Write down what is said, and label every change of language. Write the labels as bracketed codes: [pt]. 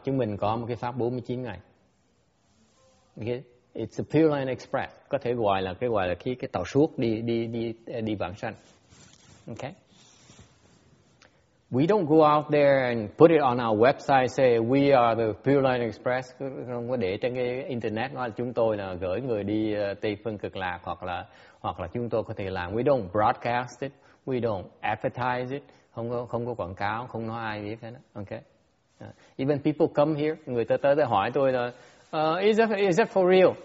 [vi] Chúng mình có một cái pháp 49 ngày. Okay? [en] It's a Pure Land Express. [vi] Có thể gọi là cái tàu suốt đi vãng sanh. [en] Okay? We don't go out there and put it on our website, say we are the Pure Land Express. [vi] Không có để trên cái internet nói là chúng tôi là gửi người đi Tây Phương Cực Lạc hoặc là chúng tôi có thể làm. [en] We don't broadcast it. We don't advertise it. [vi] Không có quảng cáo, không nói ai biết hết. [en] Okay. Even people come here, [vi] người ta tới để hỏi tôi là [en] is that for real?